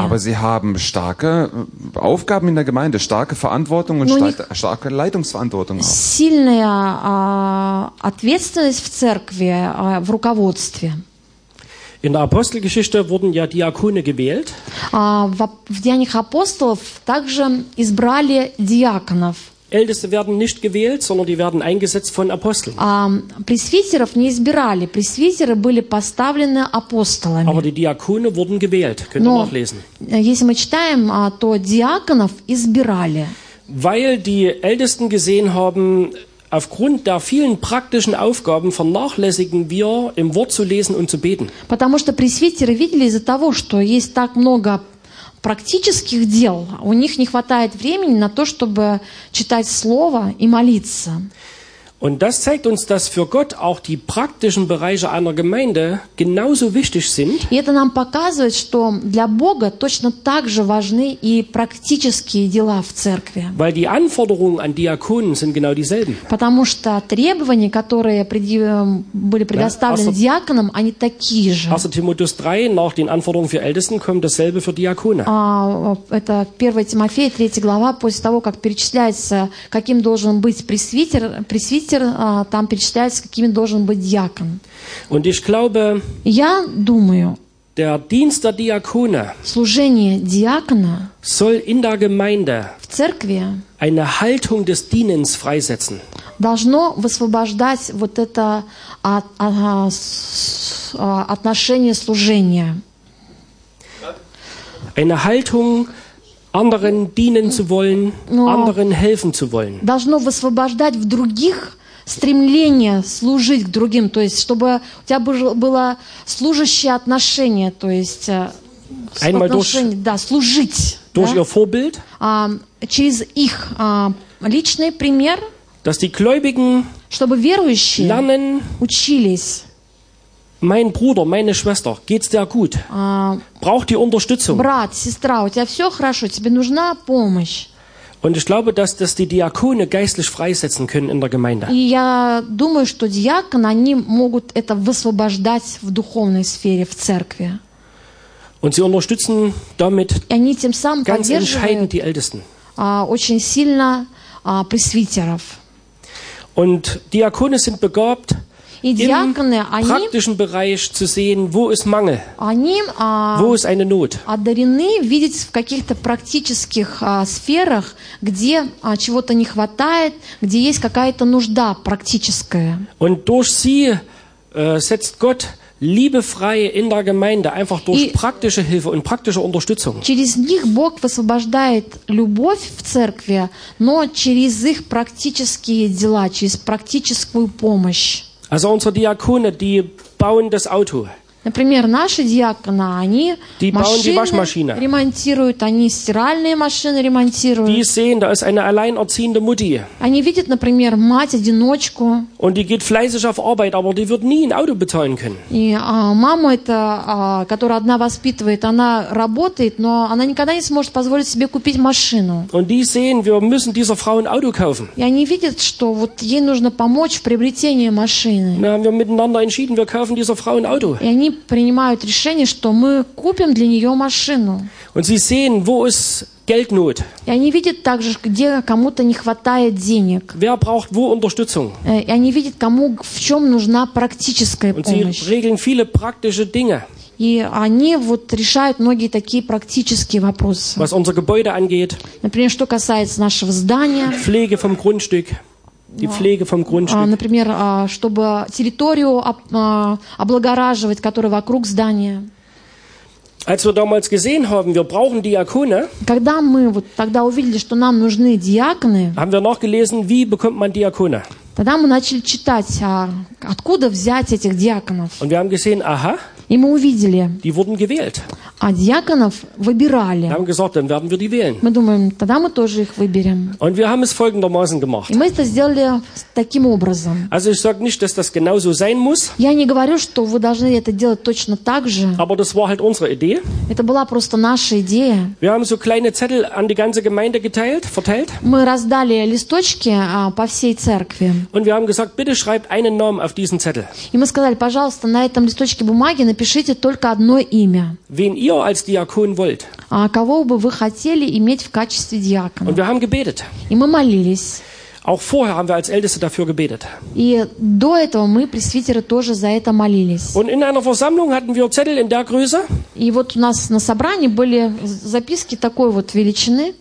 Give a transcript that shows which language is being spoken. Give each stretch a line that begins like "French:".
German: Aber sie haben starke Aufgaben in der Gemeinde, starke Verantwortung und starke Leitungsverantwortung.
Russian: Сильная ответственность в церкви, в руководстве.
German: In der Apostelgeschichte wurden ja Diakone gewählt.
Russian: В Деяниях апостолов также избрали диаконов.
German: Älteste werden nicht gewählt, sondern die werden eingesetzt von Aposteln.
Russian: Пресвитеров не избирали, пресвитеры были поставлены апостолами.
German: Aber die Diakone wurden gewählt, könnt ihr nachlesen.
Russian: Если мы читаем, то диаконов избирали.
German: Weil die Ältesten gesehen haben, aufgrund der vielen praktischen Aufgaben vernachlässigen wir, im Wort zu lesen und zu beten.
Russian: Потому что пресвитеры видели из-за того, что есть так много практических дел, у них не хватает времени на то, чтобы читать Слово и молиться.
German: Und das zeigt uns, dass für Gott auch die praktischen Bereiche einer Gemeinde genauso wichtig sind.
Russian: И это нам показывает, что для Бога точно так же важны и практические дела в церкви.
German: Weil die Anforderungen an Diakonen sind genau dieselben.
Russian: Потому что требования, которые были предоставлены диаконам, они такие же.
German: 1. Timotheus 3, nach den Anforderungen für Ältesten kommt dasselbe für Diakone.
Russian: Это 1 Тимофея, 3 глава, после того, как перечисляется, каким должен быть пресвитер, там перечисляется, какими должен быть диакон.
German: Und ich glaube,
Russian: я думаю,
German: der Dienst der Diakone
Russian: служение диакона
German: soll in der Gemeinde
Russian: в церкви
German: eine Haltung des Dienens freisetzen.
Russian: Должно высвобождать вот это отношение служения.
German: Eine Haltung anderen dienen zu wollen, anderen helfen zu wollen.
Russian: Должно высвобождать в других стремление служить к другим, то есть чтобы у тебя было служащее отношение, то есть отношение, да, служить.
German: Durch ihr Vorbild,
Russian: через их личный пример,
German: dass die Gläubigen,
Russian: чтобы верующие
German: lernen,
Russian: учились.
German: Mein Bruder, meine Schwester, geht's dir gut? Braucht die Unterstützung?
Russian: Брат, сестра, у тебя все хорошо, тебе нужна помощь.
German: Und ich glaube, dass das die Diakone geistlich freisetzen können in der Gemeinde.
Russian: И я думаю, что диаконы, они могут это высвобождать в духовной сфере, в церкви.
German: Und sie unterstützen damit ganz entscheidend die Ältesten.
Russian: Очень сильно пресвитеров.
German: Und Diakone sind begabt, Diakone, im praktischen
Russian: они,
German: Bereich zu sehen, wo ist Mangel,
Russian: они,
German: wo ist eine Not.
Russian: Одарены видеть в каких-то практических сферах, где чего-то не хватает, где есть какая-то нужда практическая.
German: Und durch sie setzt Gott Liebe frei in der Gemeinde, einfach durch praktische Hilfe und praktische Unterstützung.
Russian: Через них Бог высвобождает любовь в церкви, но через их практические дела, через практическую помощь.
German: Also unsere Diakone, die bauen das Auto.
Russian: Например, наши диаконы, они
German: die
Russian: машины
German: die Waschmaschine.
Russian: Ремонтируют, они стиральные машины ремонтируют.
German: Die sehen, da ist eine alleinerziehende Mutti.
Russian: Они видят, например, мать-одиночку.
German: Und die geht fleißig auf Arbeit, aber die wird nie ein Auto bezahlen können.
Russian: И мама эта, которая одна воспитывает, она работает, но она никогда не сможет позволить себе купить машину.
German: Und die sehen, wir müssen dieser Frau ein Auto kaufen.
Russian: И они видят, что вот ей нужно помочь в приобретении машины.
German: Wir haben miteinander entschieden, wir kaufen dieser Frau ein Auto.
Russian: Они принимают решение, что мы купим для нее машину.
German: Und sie sehen, wo ist Geldnot.
Russian: И они видят также, где кому-то не хватает денег.
German: Wer braucht wo Unterstützung.
Russian: И они видят, кому в чем нужна практическая
German: Und
Russian: помощь.
German: Sie regeln viele praktische Dinge.
Russian: И они вот решают многие такие практические вопросы.
German: Was unser Gebäude angeht.
Russian: Например, что касается нашего здания.
German: Pflege vom Grundstück. Die Pflege vom Grundstück.
Russian: Например, чтобы территорию облагораживать, которая вокруг здания.
German: Als wir damals gesehen haben, wir brauchen Diakone.
Russian: Когда мы вот тогда увидели, что нам нужны диаконы.
German: Haben wir noch gelesen, wie bekommt man Diakone?
Russian: Тогда мы начали читать, откуда взять этих диаконов.
German: Und wir haben gesehen, aha.
Russian: И мы увидели.
German: Die wurden gewählt.
Russian: А диаконов выбирали.
German: Wir haben gesagt, dann werden wir die wählen.
Russian: Мы думаем, тогда мы тоже их выберем.
German: Und wir haben es folgendermaßen gemacht.
Russian: И мы это сделали таким образом.
German: Also ich sag nicht, dass das genauso sein muss.
Russian: Я не говорю, что вы должны это делать точно так же.
German: Aber das war halt unsere Idee.
Russian: Это была просто наша идея.
German: Wir haben so kleine Zettel an die ganze Gemeinde geteilt, verteilt.
Russian: Мы раздали листочки по всей церкви.
German: Und wir haben gesagt, bitte schreibt einen Namen auf diesen Zettel.
Russian: И мы сказали, пожалуйста, на этом листочке бумаги напишите только одно имя.
German: Wen ihr als Diakon wollt.
Russian: А кого бы вы хотели иметь в качестве диакона?
German: Und wir haben gebetet.
Russian: И мы молились.
German: Auch vorher haben wir als Älteste dafür gebetet.
Russian: И до этого мы пресвитеры тоже за это молились.
German: Und in einer Versammlung hatten wir Zettel in der Größe.
Russian: И вот у нас на собрании были записки такой вот величины.